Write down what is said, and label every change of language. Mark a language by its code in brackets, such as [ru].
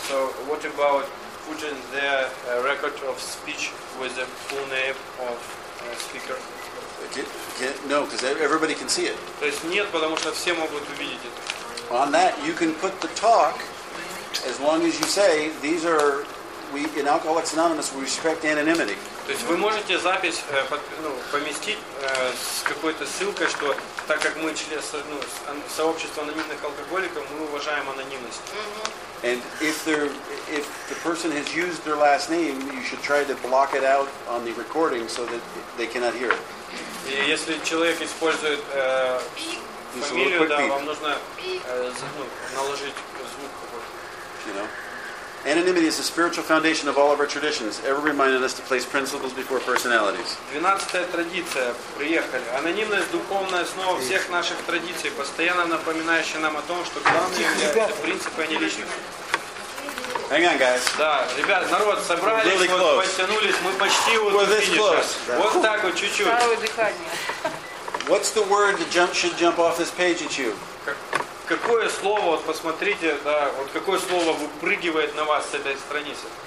[en] So what about putting their record of speech with the full name of speaker? No, because everybody can see it. [ru] То есть нет, потому что все могут увидеть это. [en] On that, you can put the talk, as long as you say, these are... We in Alcoholics Anonymous we respect anonymity. [ru] То есть вы можете запись поместить с какой-то ссылкой, что так как мы член сообщества анонимных алкоголиков, мы уважаем анонимность. [en] And if the person has used their last name, you should try to block it out on the recording so that they cannot hear it. [ru] И если человек использует фамилию, да, вам нужно наложить звук какой-то. [en] Anonymity is the spiritual foundation of all of our traditions, ever reminding us to place principles before personalities. [ru] 12-я традиция. Приехали. Анонимность – духовная основа всех наших традиций, постоянно напоминающая нам о том, что главное является принципы, а не личность. [en] Hang on, guys. [ru] Да, ребят, народ, собрались, [en] really [ru] вот, подтянулись, мы почти вот [en] we're this close. [ru] Yeah. Вот так вот, чуть-чуть. Второе дыхание. [en] What's the word that should jump off this page at you? [ru] Какое слово, вот посмотрите, да, вот какое слово выпрыгивает на вас с этой страницы?